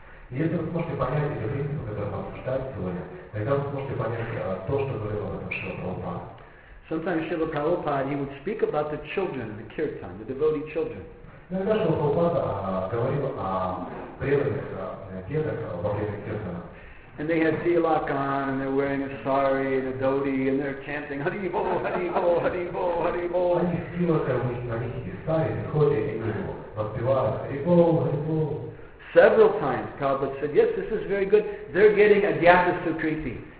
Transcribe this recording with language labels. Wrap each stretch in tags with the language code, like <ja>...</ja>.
<ru>Если вы сможете понять эти принципы, которые мы обсуждаем сегодня, тогда вы сможете понять то, что говорил об этом Шрила Прабхупада.</ru> <en>Sometimes Srila Prabhupada, he would speak about the children, the kirtan, the devotee children.</en> <ru>Иногда Шрила Прабхупада говорил о преданных деток во время киртана.</ru> <en>And they had tilak on, and they're wearing a sari and a dhoti, and they're chanting, Hari bo, Hari bo, Hari bo, Hari bo.</en> <ru>Они с тилаком, они с сари, ходе, и воспевают, Hari bo, Hari bo.</ru> <en>Several times Prabhupada said, yes, this is very good. They're getting Agyatha Sukriti.</en>